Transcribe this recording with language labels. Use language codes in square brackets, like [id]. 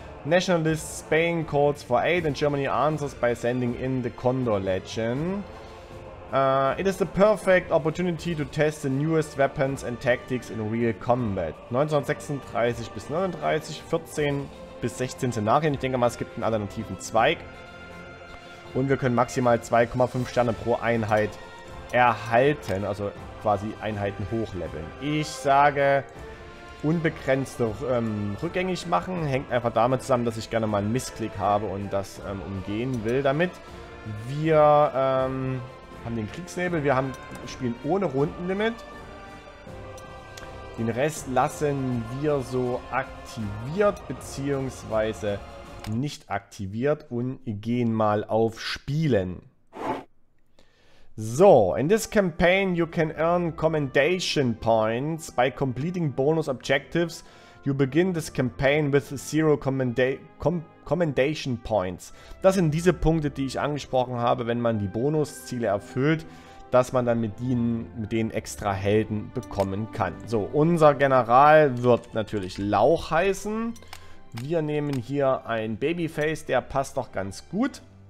[en] Nationalist Spain calls for aid and Germany answers by sending in the Condor Legion. It is the perfect opportunity to test the newest weapons and tactics in real combat. [de] 1936 bis 39, 14 bis 16 Szenarien. Ich denke mal, es gibt einen alternativen Zweig. Und wir können maximal 2,5 Sterne pro Einheit erhalten. Also quasi Einheiten hochleveln. Ich sage, unbegrenzt rückgängig machen. Hängt einfach damit zusammen, dass ich gerne mal einen Missklick habe und das umgehen will damit. Wir haben den Kriegsnebel. Wir haben spielen ohne Rundenlimit. Den Rest lassen wir so aktiviert bzw. nicht aktiviert und gehen mal auf Spielen. [en] So, in this campaign you can earn commendation points by completing bonus objectives. You begin this campaign with zero commendation points. [de] Das sind diese Punkte, die ich angesprochen habe, wenn man die Bonusziele erfüllt, dass man dann mit denen extra Helden bekommen kann. So, unser General wird natürlich Lauch heißen. Wir nehmen hier ein Babyface, der passt doch ganz gut.